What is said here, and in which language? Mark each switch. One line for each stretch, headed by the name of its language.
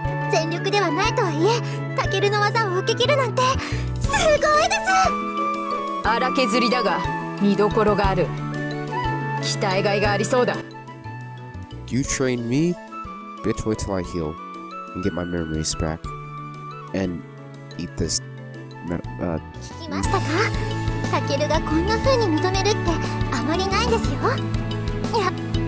Japanese: 全力ではないとはいえ、タケルの技を受け切るなんてすごいです。荒削りだが見どころがある。鍛えがいがありそうだ。
English: You train me? Bitch, wait till I heal and get my memories back and eat this
Japanese: 聞きましたか？タケルがこんな風に認めるってあまりないんですよ。